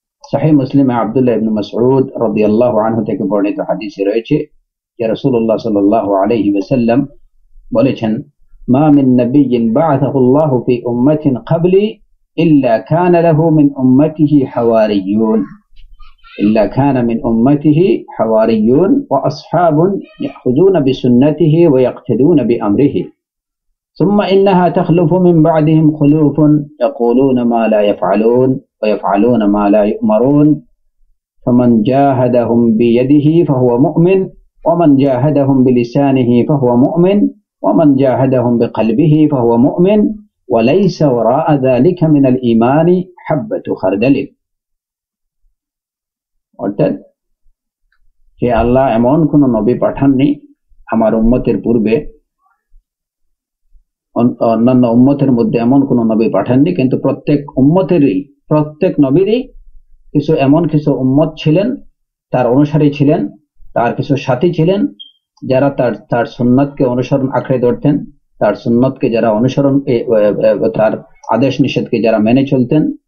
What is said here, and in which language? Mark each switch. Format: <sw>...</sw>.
<bn>সহিহ মুসলিমে আব্দুল্লাহ ইবনে মাসউদ রাদিয়াল্লাহু আনহু থেকে বর্ণিত হাদিসে রয়েছে যে রাসূলুল্লাহ সাল্লাল্লাহু আলাইহি ওয়াসাল্লাম বলেছেন,</bn> <ar>মা মিন নবিয়্যিন বাআথাহুল্লাহু ফি উম্মাতিন ক্বাবলি ইল্লা কানা লাহু মিন উম্মাতিহি হাওয়ারিয়ুন ইল্লা কানা মিন উম্মাতিহি হাওয়ারিয়ুন ওয়া আসহাবুন ইয়াখুযুনা বিসুন্নতিহি ওয়া ইয়াক্তাদুনা বিআমরিহি। ثم إنها تخلف من بعدهم خلوف يقولون ما لا يفعلون ويفعلون ما لا يؤمرون فمن جاهدهم بيده فهو مؤمن ومن جاهدهم بلسانه فهو مؤمن ومن جاهدهم بقلبه فهو مؤمن وليس وراء ذلك من الإيمان حبة خردل.</ar> <bn>অর্থাৎ যে আল্লাহ এমন কোন নবী পাঠাননি আমার উম্মতের পূর্বে, অন্যান্য উম্মতের মধ্যে এমন কোন নবী পাঠাননি, কিন্তু প্রত্যেক উম্মতেরই, প্রত্যেক নবীরই কিছু এমন কিছু উম্মত ছিলেন, তার অনুসারী ছিলেন, তার কিছু সাথী ছিলেন, যারা তার তার সুন্নতকে অনুসরণ আঁকড়ে ধরতেন, তার সুন্নতকে যারা অনুসরণ, তার আদেশ নিষেধকে যারা মেনে চলতেন,</bn>